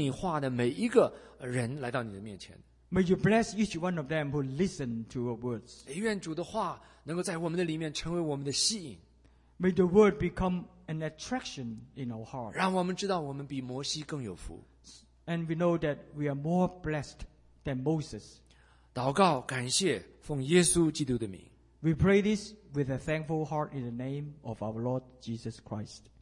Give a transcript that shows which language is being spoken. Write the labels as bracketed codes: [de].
[zh] 愿你赐福来到你面前，听你话的每一个人来到你的面前。 [en] May you bless each one of them who listen to your words. [zh] 愿主的话能够在我们的里面成为我们的吸引。 [en] May the word become an attraction in our heart. [zh] 让我们知道我们比摩西更有福。 [en] And we know that we are more blessed than Moses. [zh] 祷告感谢，奉耶稣基督的名。 [en] We pray this with a thankful heart in the name of our Lord Jesus Christ.